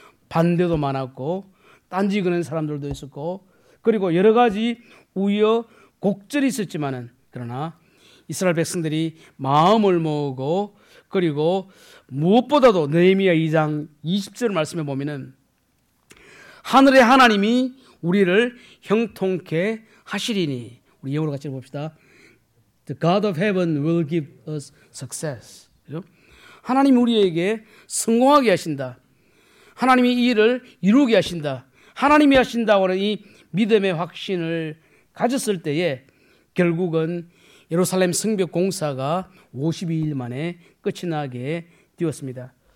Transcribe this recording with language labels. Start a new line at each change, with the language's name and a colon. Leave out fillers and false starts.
Korean: 반대도 많았고 딴지 그는 사람들도 있었고 그리고 여러 가지 우여곡절이 있었지만은 그러나 이스라엘 백성들이 마음을 모으고 그리고 무엇보다도 느헤미야 2장 20절 말씀해 보면은 하늘의 하나님이 우리를 형통케 하시리니, 우리 영어로 같이 봅시다.
English: The God of heaven will give us success.
Korean: 그렇죠? 하나님이 우리에게 성공하게 하신다. 하나님이 이 일을 이루게 하신다. 하나님이 하신다고 하는 이 믿음의 확신을 가졌을 때에 결국은 예루살렘 성벽 공사가 52일 만에 끝이 나게 되었습니다.